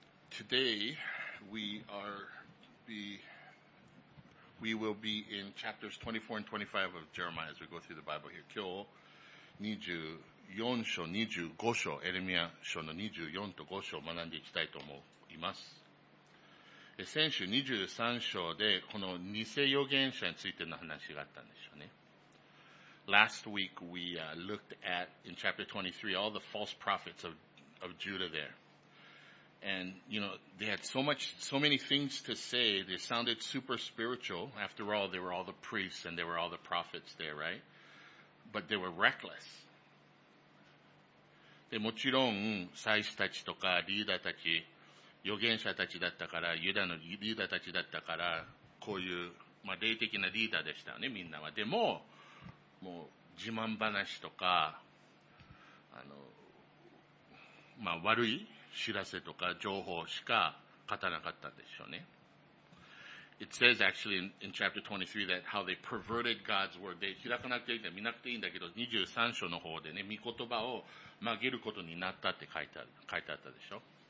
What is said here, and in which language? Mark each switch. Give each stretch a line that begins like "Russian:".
English: Today we will be in chapters 24 and 25 of Jeremiah as we go through the Bible here.
Japanese: 今日24章25章エレミア書の24と5章を学んでいきたいと思います。先週23章でこの偽預言者についての話があったんでしょうね。
English: Last week we looked at in chapter 23 all the false prophets of Judah there. And, you know, they had so many things to say. They sounded super spiritual. After all, they were all the priests and they were all the prophets there, right? But they were reckless.
Japanese: で、もちろん、祭司たちとかリーダーたち、預言者たちだったから、ユダのリーダーたちだったから、こういう、まあ、霊的なリーダーでしたよね、みんなは。でも、もう、自慢話とか、まあ、悪い、知らせとか情報しか語らなかったでしょうね。
English: It says actually in chapter 23 that how they perverted God's word. They
Japanese: 開かなくていいんだ、見なくていいんだけど、23章の方でね、御言葉を曲げることになったって書いてあったでしょ。